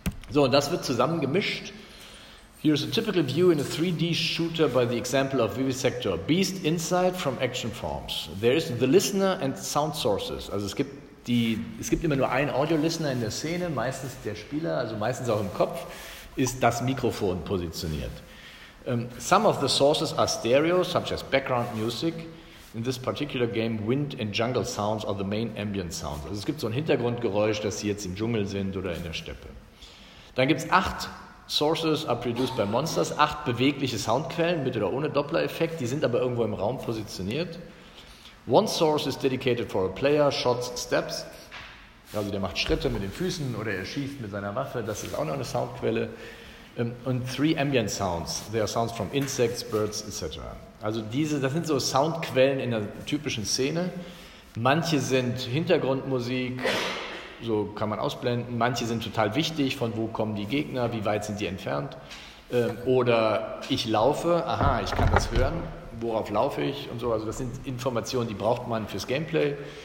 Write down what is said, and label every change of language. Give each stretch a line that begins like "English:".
German: So, und das wird zusammen gemischt.
English: Here's a typical view in a 3D shooter by the example of Vivisector. Beast inside from action forms. There is the listener and sound sources.
German: Also es gibt immer nur einen Audio-Listener in der Szene, meistens der Spieler, also meistens auch im Kopf, ist das Mikrofon positioniert.
English: Some of the sources are stereo, such as background music. In this particular game, wind and jungle sounds are the main ambient sounds.
German: Also es gibt so ein Hintergrundgeräusch, dass Sie jetzt im Dschungel sind oder in der Steppe. Dann gibt es 8
English: Sources are produced by monsters,
German: 8 bewegliche Soundquellen mit oder ohne Doppler-Effekt, die sind aber irgendwo im Raum positioniert.
English: One source is dedicated for a player, shots, steps,
German: also der macht Schritte mit den Füßen oder er schießt mit seiner Waffe, das ist auch noch eine Soundquelle.
English: Und 3 ambient sounds, they are sounds from insects, birds, etc.
German: Also das sind so Soundquellen in der typischen Szene. Manche sind Hintergrundmusik, so kann man ausblenden. Manche sind total wichtig, von wo kommen die Gegner, wie weit sind die entfernt. Oder ich laufe, aha, ich kann das hören, worauf laufe ich und so. Also das sind Informationen, die braucht man fürs Gameplay.